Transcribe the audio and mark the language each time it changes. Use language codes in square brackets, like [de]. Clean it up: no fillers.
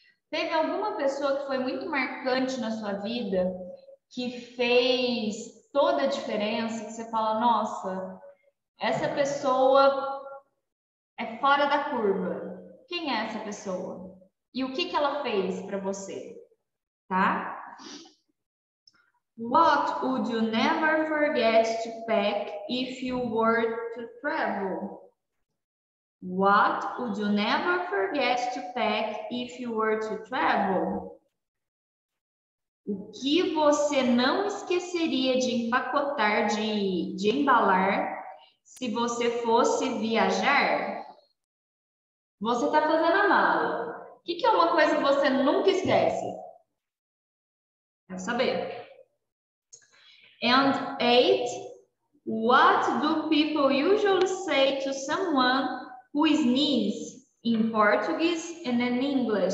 [pt] Teve alguma pessoa que foi muito marcante na sua vida, que fez toda a diferença, que você fala, nossa, essa pessoa é fora da curva. Quem é essa pessoa? E o que que ela fez para você? Tá? [en] What would you never forget to pack if you were to travel? What would you never forget to pack if you were to travel? [pt] O que você não esqueceria de empacotar, de embalar, se você fosse viajar? Você está fazendo a mala. O que que é uma coisa que você nunca esquece? Quero saber. [en] And 8, what do people usually say to someone who sneezes in Portuguese and in English?